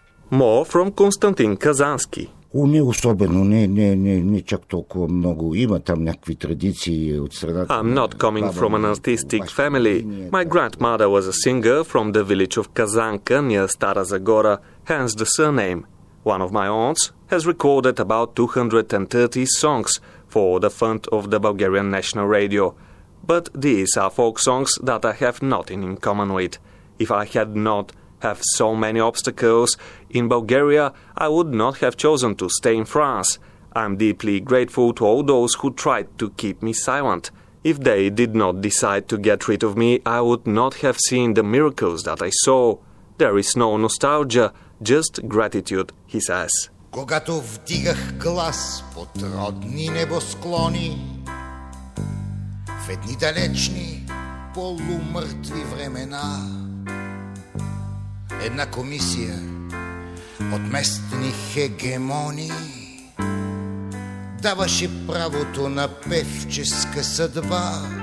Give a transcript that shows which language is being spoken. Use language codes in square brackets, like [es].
[en] More from Константин Казански. [bg] Не особено, не чак толкова много. Има там някакви традиции от средата. [en] I'm not coming from an artistic family. My grandmother was a singer from the village of Казанка near Стара Загора, hence the surname. One of my aunts has recorded about 230 songs for the fund of the Bulgarian National Radio. But these are folk songs that I have nothing in common with. If I had not have so many obstacles in Bulgaria, I would not have chosen to stay in France. I'm deeply grateful to all those who tried to keep me silent. If they did not decide to get rid of me, I would not have seen the miracles that I saw. There is no nostalgia, just gratitude, he says. [bg] Когато вдигах глас под родни небосклони, в едни далечни полумъртви времена, една комисия от местни хегемони даваше правото на певческа съдба.